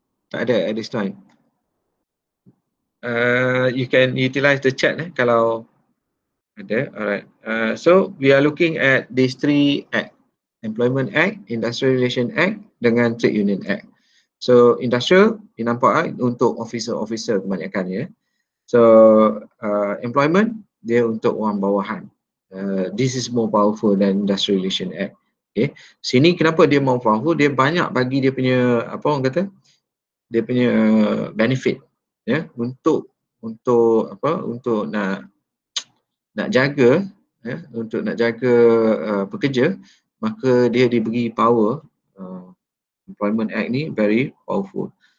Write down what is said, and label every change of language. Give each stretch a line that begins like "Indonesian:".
Malay: Tak ada
English: at this time. You can utilize the chat
Malay: kalau ada,
English: alright. So we are looking at these three act, Employment Act, Industrial Relation Act dengan Trade Union Act.
Malay: So industrial, you nampak untuk officer-officer kebanyakan ya. So employment, dia untuk orang bawahan.
English: This is more powerful than Industrial Relation Act.
Malay: Okay. Sini kenapa dia
English: more powerful?
Malay: Dia banyak bagi dia punya apa orang kata? Dia punya benefit ya, yeah, untuk apa? Untuk nak jaga ya, yeah, untuk nak jaga pekerja, maka dia diberi power
English: Employment Act ni very powerful.